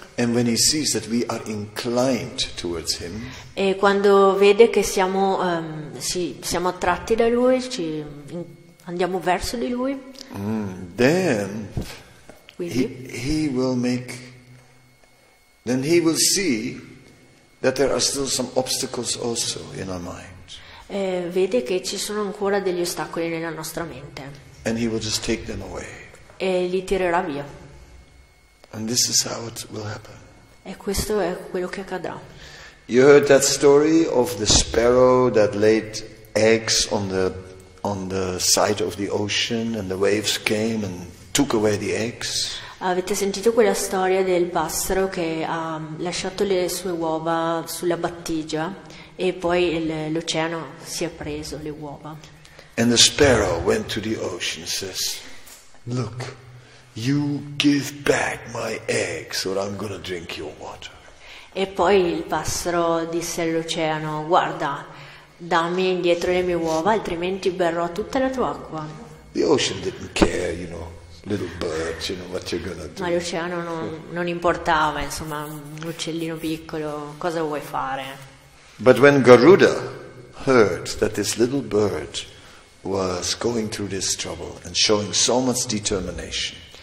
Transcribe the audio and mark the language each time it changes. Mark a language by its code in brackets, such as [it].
[en] And when he sees that we are inclined towards him, [it] e quando vede che siamo attratti da lui, ci andiamo verso di lui, [en] then he will make. Then he will see that there are still some obstacles also in our mind. [it] Vede che ci sono ancora degli ostacoli nella nostra mente. [en] And he will just take them away. [it] E li tirerà via. [en] And this is how it will happen. [it] E questo è quello che accadrà. [en] You heard that story of the sparrow that laid eggs on the side of the ocean, and the waves came and took away the eggs. [it] Avete sentito quella storia del passero che ha lasciato le sue uova sulla battigia e poi l'oceano si è preso le uova. [en] And the sparrow went to the ocean and says, "Look, you give back my eggs or I'm gonna drink your water." [it] E poi il passero disse all'oceano, "Guarda, dammi indietro le mie uova, altrimenti berrò tutta la tua acqua." [en] The ocean didn't care, you know. Little bird, you know what you're gonna do. [it] Ma l'oceano non importava, insomma, un uccellino piccolo, cosa vuoi fare? [en] But when Garuda heard that this little bird was going through this trouble and showing so much determination.